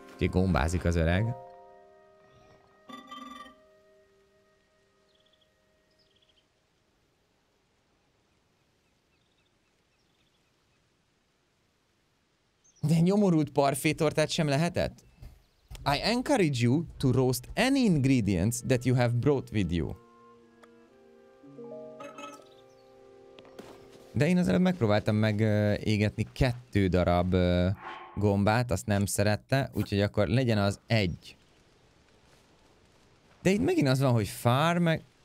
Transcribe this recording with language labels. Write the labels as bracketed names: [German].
[Hungarian] Gombázik az öreg. De nyomorult parfétortát sem lehetett? [English] I encourage you to roast any ingredients that you have brought with you. [Hungarian] De én az előbb megpróbáltam égetni kettő darab gombát, azt nem szerette, úgyhogy akkor legyen az egy. De itt megint az van, hogy far meg...